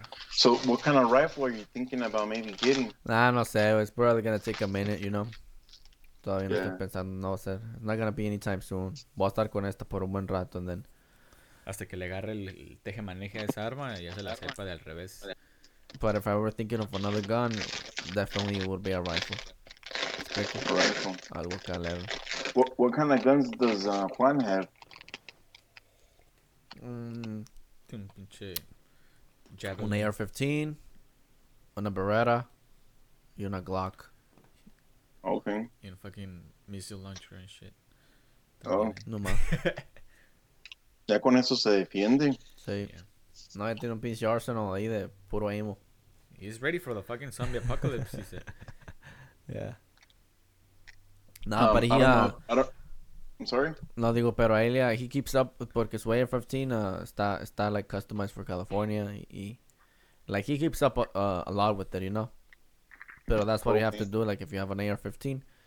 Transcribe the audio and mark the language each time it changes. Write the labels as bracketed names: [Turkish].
[English] so, what kind of rifle are you thinking about maybe getting? [Spanish] Ah, no sé. [English] It's probably gonna take a minute, you know. [Spanish] Todavía no estoy pensando, no va a ser. [English] It's not gonna be anytime soon. [Spanish] Voy a estar con esta por un buen rato, [English] and then... [Spanish] Hasta que le agarre el teje maneje a esa arma, ya se la sepa de al revés. [English] But if I were thinking of another gun, definitely it would be a rifle. It's a rifle. [Spanish] Algo calero. [English] What kind of guns does Juan have? [Spanish] Tiene un pinche... Javelin. Un AR-15, una Beretta, y una Glock. [English] Okay. In fucking missile launcher and shit. Oh. Okay. [Spanish] No más. Ya con eso se defiende. Sí. [English] Yeah. [Spanish] No, ya tiene un pinche arsenal ahí de puro ammo. [English] He's ready for the fucking zombie apocalypse, he said. Yeah. No, but he, I'm sorry? [Spanish] No, digo, pero él, yeah, [English] he keeps up [Spanish] porque su AR-15 está, [English] like, customized for California. Like, he keeps up a lot with it, you know? But that's what you have to do, like, if you have an AR-15.